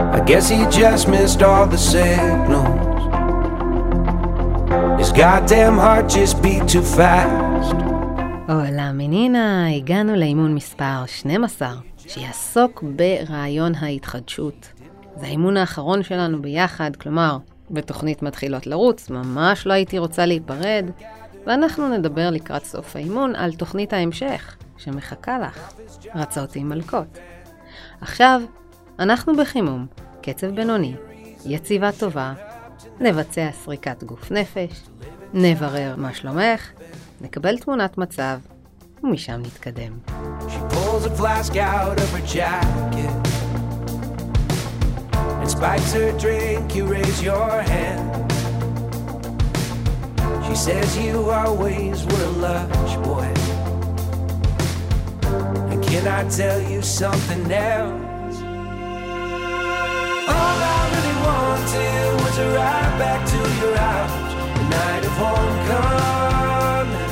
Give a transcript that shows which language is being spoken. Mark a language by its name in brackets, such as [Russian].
[English] guess he just missed all the signals. His goddamn heart just beat too fast. [Spanish] Hola, menina, [Hebrew] הגענו לאימון מספר 12 שיעסוק ברעיון ההתחדשות. זה האימון האחרון שלנו ביחד, כלומר, בתוכנית מתחילות לרוץ, ממש לא הייתי רוצה להיפרד, ואנחנו נדבר לקראת סוף האימון על תוכנית ההמשך שמחכה לך, רצות עם מלכות. עכשיו, אנחנו בחימום, קצב בינוני, יציבה טובה, נבצע סריקת גוף נפש, נברר מה שלומך, נקבל תמונת מצב, ומשם נתקדם. [English] A flask out of her jacket and spikes her drink. You raise your hand. She says you always were a lunch boy. And can I tell you something else? All I really wanted was a ride back to your house the night of homecoming.